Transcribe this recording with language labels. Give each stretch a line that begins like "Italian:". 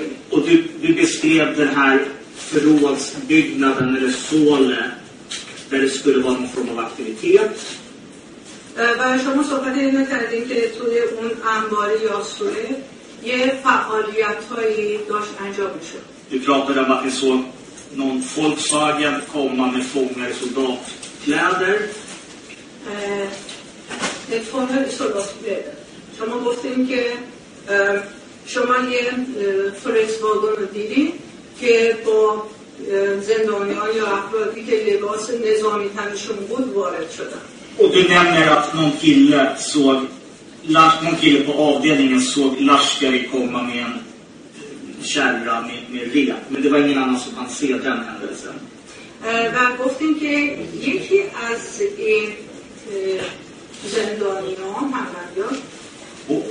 Swedish: och du beskrev den här förrådsbyggnaden eller såle där det skulle vara någon form av aktivitet.
Persian: و شما صحبت اینو کردین که توی اون انبار یا سوره یه فعالیت هایی داشت انجام میشد.
Swedish: Du pratade om att ni såg någon folksagen komma med fångar i soldatkläder. Det fångar i soldatkläder.
Persian: شما گفتین که شما یه فرسواگون رو دیدین که با زندانی ها یا افرادی که لباس نظامی تنشون بود وارد شدن.
Swedish: Och du nämner att någon kille på avdelningen såg Lashkari komma med en kärra med rep. Men det var ingen annan som kan se den händelsen. Jag gofte inte att en av Zendonino, han var gjort.